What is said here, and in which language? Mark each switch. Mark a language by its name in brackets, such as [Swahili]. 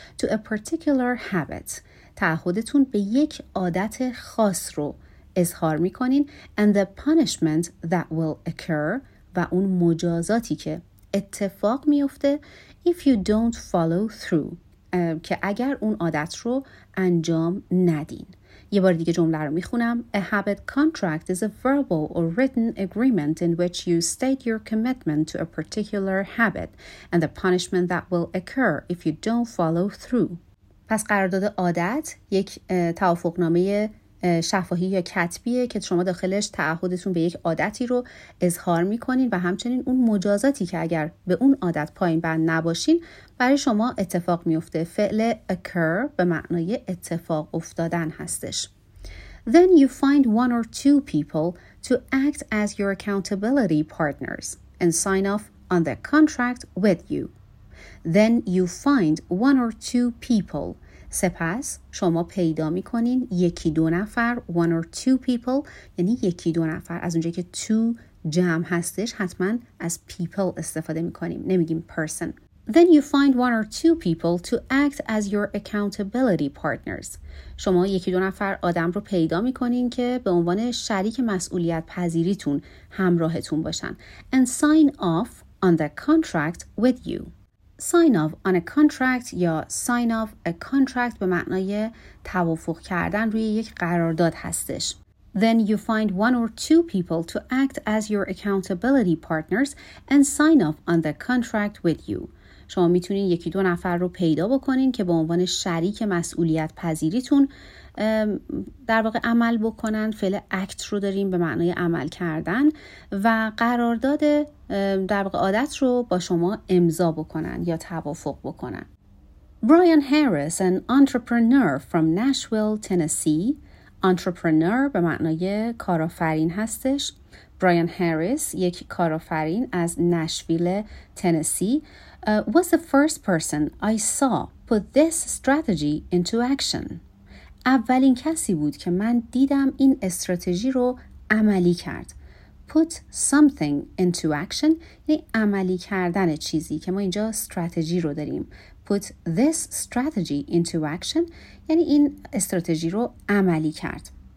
[English] To a particular habit، [Persian] تعهدتون به یک عادت خاص رو اظهار میکنین. [English] And the punishment that will occur، [Persian] و اون مجازاتی که اتفاق میفته. [English] If you don't follow through، [Persian] که اگر اون عادت رو انجام ندین. یه بار دیگه جمله رو میخونم. [English] A habit contract is a verbal or written agreement in which you state your commitment to a particular habit and the punishment that will occur if you don't follow through. [Persian] پس قرارداد عادت یک توافقنامه شفاهی یا کتبیه که شما داخلش تعهدتون به یک عادتی رو اظهار میکنین و همچنین اون مجازاتی که اگر به اون عادت پایین بند نباشین برای شما اتفاق میفته. فعل occur به معنای اتفاق افتادن هستش. [English] Then you find one or two people to act as your accountability partners and sign off on the contract with you. Then you find one or two people. [Persian] سپس شما پیدا میکنین یکی دو نفر. [English] One or two people [Persian] یعنی یکی دو نفر. از اونجایی که two جمع هستش حتما از people استفاده میکنیم، نمیگیم person. [English] Then you find one or two people to act as your accountability partners. [Persian] شما یکی دو نفر آدم رو پیدا میکنین که به عنوان شریک مسئولیت پذیریتون همراهتون باشن. [English] And sign off on the contract with you. Sign off on a contract [Persian] یا [English] sign off a contract [Persian] به معنای توافق کردن روی یک قرارداد هستش. [English] Then you find one or two people to act as your accountability partners and sign off on the contract with you. [Persian] شما میتونین یکی دو نفر رو پیدا بکنین که به عنوان شریک مسئولیت پذیریتون در واقع عمل بکنن. فعل act رو داریم به معنای عمل کردن و قرارداد در واقع عادت رو با شما امضا بکنن یا توافق بکنن. [English] Brian Harris, an entrepreneur from Nashville, Tennessee. [Persian] Entrepreneur به معنای کارآفرین هستش. Brian Harris یک کارآفرین از نشویل تنسی. [English] Was the first person I saw put this strategy into action. [Persian] اولین کسی بود که من دیدم این استراتژی رو عملی کرد. [English] Put something into action [Persian] یعنی عملی کردن چیزی، که ما اینجا استراتژی رو داریم. [English] Put this strategy into action [Persian] یعنی این استراتژی رو عملی کرد.